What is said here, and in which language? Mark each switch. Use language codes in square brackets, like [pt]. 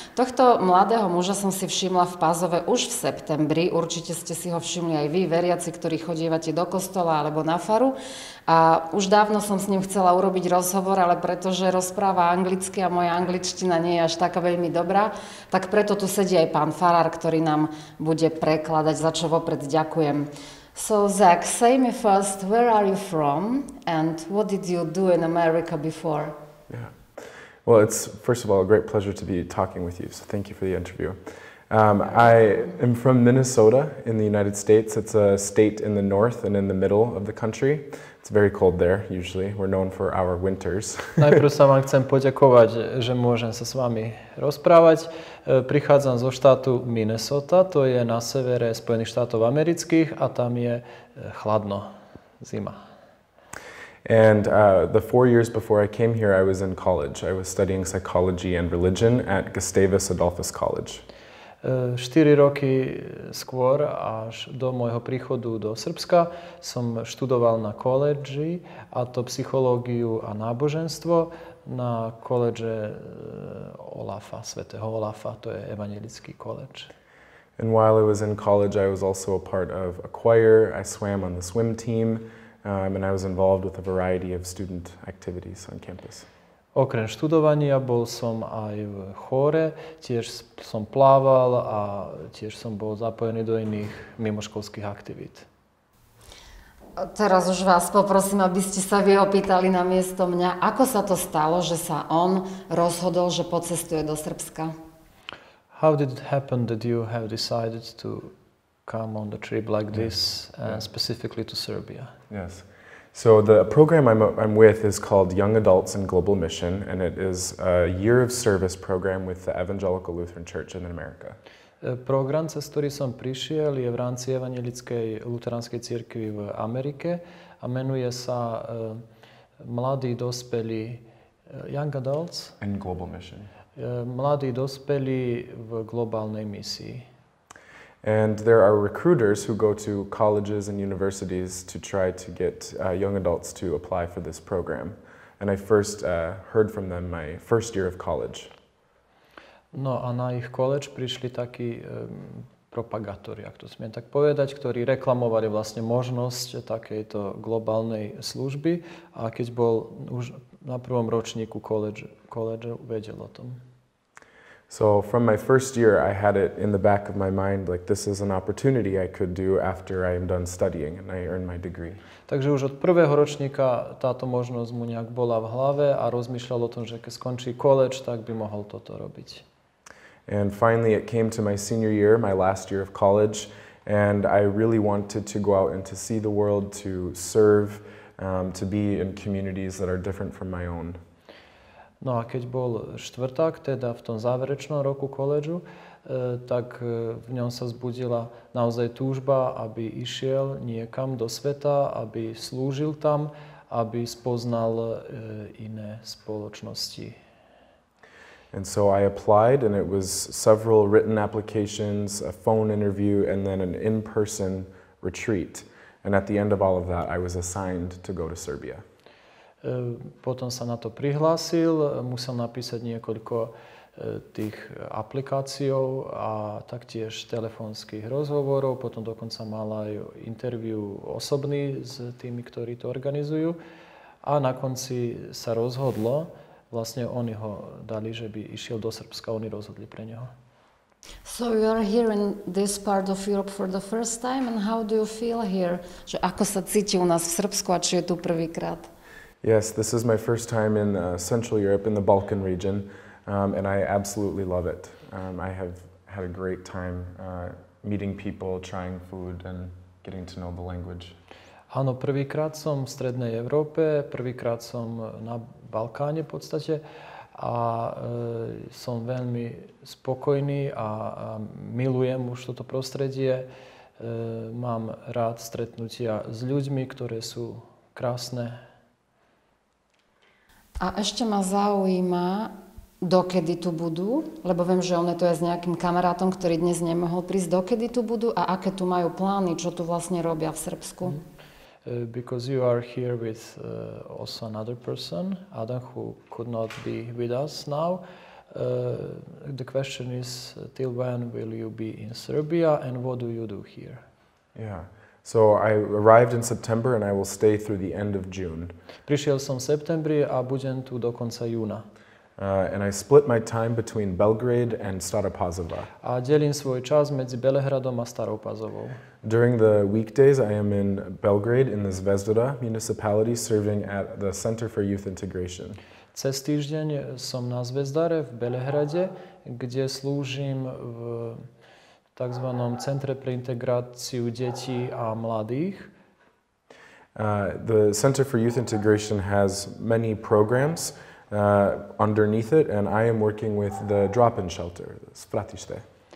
[sk] Tohto mladého muža som si všimla v Pazove už v septembri, určite ste si ho všimli aj vy, veriaci, ktorí chodívate do kostola alebo na faru. A už dávno som s ním chcela urobiť rozhovor, ale pretože rozpráva anglicky a moja angličtina nie je až taká veľmi dobrá, tak preto tu sedí aj pán farár, ktorý nám bude prekladať, za čo vopred ďakujem. [en] So, Zach, say me first, where are you from and what did you do in America before? Yeah. Well, it's first of all a great pleasure to be talking with you, so thank you for the interview. I am from Minnesota in the United States. It's a state in the north and in the middle of the country. It's very cold there, usually. We're known for our winters. [sk] Najprv sa vám chcem poďakovať, že môžem sa s vami rozprávať. Prichádzam zo štátu Minnesota, to je na severe Spojených štátov amerických a tam je chladno, zima. [en] And the 4 years before I came here, I was in college. I was studying psychology and religion at Gustavus Adolphus College. [sk] 4 roky skôr, až do môjho príchodu do Srbska, som študoval na koledži, a to psychológiu a náboženstvo, na koledže Olafa, svätého Olafa, to je evanjelický koledž. [en] And while I was in college, I was also a part of a choir, I swam on the swim team, and I was involved with a variety of student activities on campus. [sk] Okrem študovania bol som aj v chóre, tiež som plával a tiež som bol zapojený do iných mimoškolských aktivít. Teraz už vás poprosím, aby ste sa vy opýtali na miesto mňa, ako sa to stalo, že sa on rozhodol, že pocestuje do Srbska? [en] How did it happen that you have decided to come on the trip like this, and specifically to Serbia? Yes. So the program I'm with is called Young Adults in Global Mission, and it is a year of service program with the Evangelical Lutheran Church in America. [sk] Program, cez ktorý som prišiel, je v rámci Evangelickej luteránskej cirkvi v Amerike a menuje sa Mladí dospelí, Young Adults [en] in Global Mission. [sk] Mladí dospelí v globálnej misii. [en] And there are recruiters who go to colleges and universities to try to get young adults to apply for this program. And I first heard from them my first year of college. [sk] No a na ich college prišli takí propagátori, ak to smiem tak povedať, ktorí reklamovali vlastne možnosť takejto globálnej služby. A keď bol už na prvom ročníku college vedel o tom. [en] So from my first year, I had it in the back of my mind, like this is an opportunity I could do after I am done studying and I earn my degree. [sk] Takže už od prvého ročníka táto možnosť mu nejak bola v hlave a rozmýšľal o tom, že keď skončí college, tak by mohol toto robiť. [en] And finally it came to my senior year, my last year of college, and I really wanted to go out and to see the world, to serve, to be in communities that are different from my own. [sk] No a keď bol štvrták, teda v tom záverečnom roku koledžu, tak v ňom sa vzbudila naozaj túžba, aby išiel niekam do sveta, aby slúžil tam, aby spoznal iné spoločnosti. [en] And so I applied and it was several written applications, a phone interview and then an in-person retreat. And at the end of all of that, I was assigned to go to Serbia. [sk] Potom sa na to prihlásil, musel napísať niekoľko tých aplikáciou a taktiež telefónskych rozhovorov, potom dokonca mal aj interview osobný s tými, ktorí to organizujú. A na konci sa rozhodlo, vlastne oni ho dali, že by išiel do Srbska, oni rozhodli pre neho. [en] So you are here in this part of Europe for the first time and how do you feel here? [sk] Že ako sa cíti u nás v Srbsku a či je tu prvýkrát? [en] Yes, this is my first time in Central Europe, in the Balkan region, and I absolutely love it. I have had a great time meeting people, trying food and getting to know the language. [sk] Áno, prvýkrát som v Strednej Európe, prvýkrát som na Balkáne v podstate a som veľmi spokojný a milujem už toto prostredie. Mám rád stretnutia s ľuďmi, ktoré sú krásne. A ešte ma zaujíma, Dokedy tu budú? Lebo viem, že on je to aj s nejakým kamarátom, ktorý dnes nemohol prísť. Dokedy tu budú a aké tu majú plány, čo tu vlastne robia v Srbsku? [en] Because you are here with also another person, Adam, who could not be with us now. The question is, till when will you be in Serbia and what do you do here? Yeah, so I arrived in September and I will stay through the end of June. [sk] Prišiel som v septembri a budem tu do konca júna. [en] And I split my time between Belgrade and Stara Pazova. [sk] A delím svoj čas medzi Belehradom a Starou Pazovou. [en] During the weekdays I am in Belgrade in the Zvezdara municipality serving at the Center for Youth Integration. [sk] Cez týždeň som na Zvezdare v Belehrade, kde slúžim v takzvanom centre pre integráciu detí a mladých. [en] The Center for Youth Integration has many programs underneath it and I am working with the drop-in shelter, Spratište.